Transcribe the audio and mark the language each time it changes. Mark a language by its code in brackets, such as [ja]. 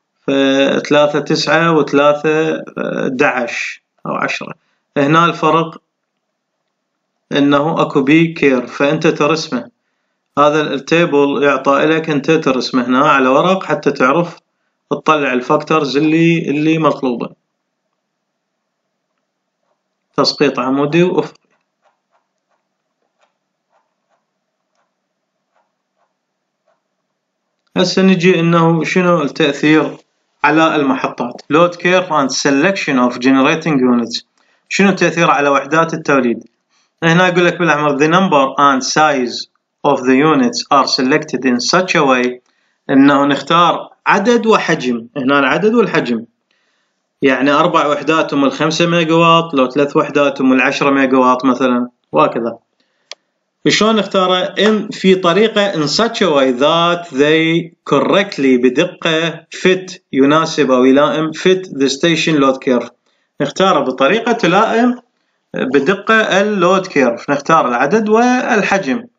[ar] 3-9 و3-11 أو 10، هنا الفرق أنه أكو بي كير فأنت ترسمه، هذا التيبل يعطى لك أنت ترسمه هنا على ورق حتى تعرف تطلع الفاكتورز اللي مطلوبة. تسقيط عمودي وأفق. هسه نجي أنه شنو التأثير على المحطات. [en] load curve and selection of generating units [ar] شنو التأثير على وحدات التوليد. هنا يقول لك بالأحمر [en] the number and size of the units are selected in such a way [ar] انه نختار عدد وحجم، هنا العدد والحجم، يعني 4 وحدات هم 5 ميجا وات، لو 3 وحدات هم 10 ميجا وات مثلا، وهكذا. شلون نختار؟ ان في طريقه ان [en] such a way that they correctly، [ar] بدقه fit، يناسب او يلائم fit the station load curve، نختاره بطريقه تلائم بدقه اللود كيرف، نختار العدد والحجم.